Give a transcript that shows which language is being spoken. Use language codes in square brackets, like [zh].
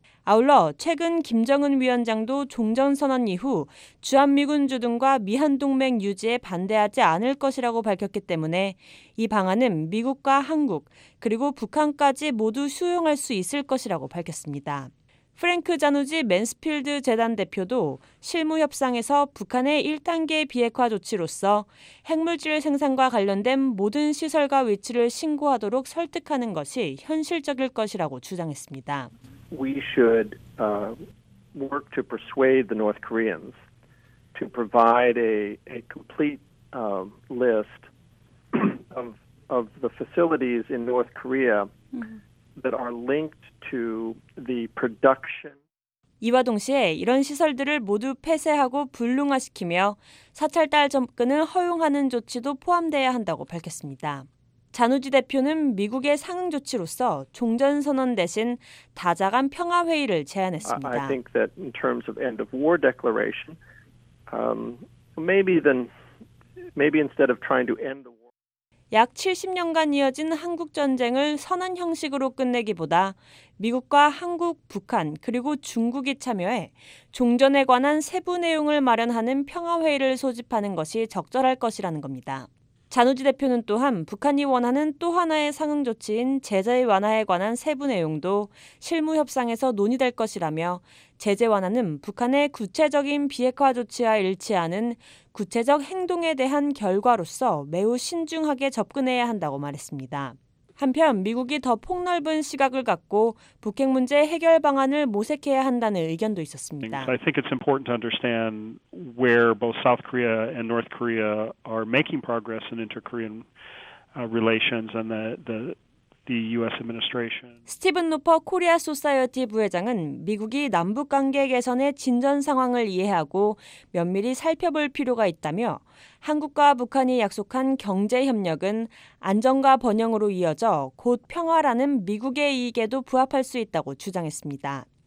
[ko] 아울러 최근 김정은 위원장도 종전선언 이후 주한미군 주둔과 미한 동맹 유지에 반대하지 않을 것이라고 밝혔기 때문에 이 방안은 미국과 한국 그리고 북한까지 모두 수용할 수 있을 것이라고 밝혔습니다. 프랭크 자누지 맨스필드 재단 대표도 실무 협상에서 북한의 1단계 비핵화 조치로서 핵물질 생산과 관련된 모든 시설과 위치를 신고하도록 설득하는 것이 현실적일 것이라고 주장했습니다. [en] We should work to persuade the North Koreans to provide a complete list of the facilities in North Korea that are linked to the production. [ko] 이와 동시에 이런 시설들을 모두 폐쇄하고 불능화시키며 사찰단 접근을 허용하는 조치도 포함돼야 한다고 밝혔습니다. 자누지 대표는 미국의 상응 조치로서 종전 선언 대신 다자간 평화 회의를 제안했습니다. [en] I think that in terms of end of war declaration, maybe instead of trying to end the war. [ko] 약 70년간 이어진 한국 전쟁을 선언 형식으로 끝내기보다 미국과 한국, 북한 그리고 중국이 참여해 종전에 관한 세부 내용을 마련하는 평화 회의를 소집하는 것이 적절할 것이라는 겁니다. 자누지 대표는 또한 북한이 원하는 또 하나의 상응 조치인 제재 완화에 관한 세부 내용도 실무 협상에서 논의될 것이라며 제재 완화는 북한의 구체적인 비핵화 조치와 일치하는 구체적 행동에 대한 결과로서 매우 신중하게 접근해야 한다고 말했습니다. 한편 미국이 더 폭넓은 시각을 갖고 북핵 문제 해결 방안을 모색해야 한다는 의견도 있었습니다. [en] I think it's important to understand where both South Korea and North Korea are making progress in inter-Korean relations and the U.S. administration. [ko] 스티븐 노퍼 코리아 소사이어티 부회장은 미국이 남북 관계 개선의 진전 상황을 이해하고 면밀히 살펴볼 필요가 있다며 한국과 북한이 약속한 경제 협력은 안정과 번영으로 이어져 곧 평화라는 미국의 이익에도 부합할 수 있다고 주장했습니다.